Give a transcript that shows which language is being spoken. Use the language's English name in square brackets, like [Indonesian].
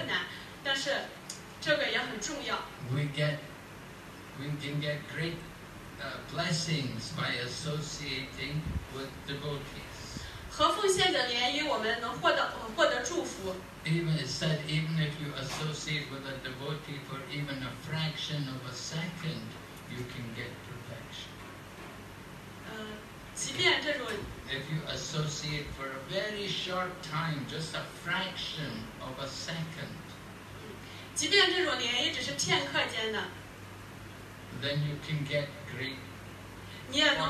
[Chinese] 虽然不要去跟那些非奉献者联谊，这一点要做到很困难，但是这个也很重要。 [English] We get, we can get great blessings by associating with devotees. [Chinese] 和奉献者联谊，我们能获得祝福。 [English] Even it said, even if you associate with a devotee for even a fraction of a second, you can get perfection. If you associate for a very short time, just a fraction of a second, then you can get great.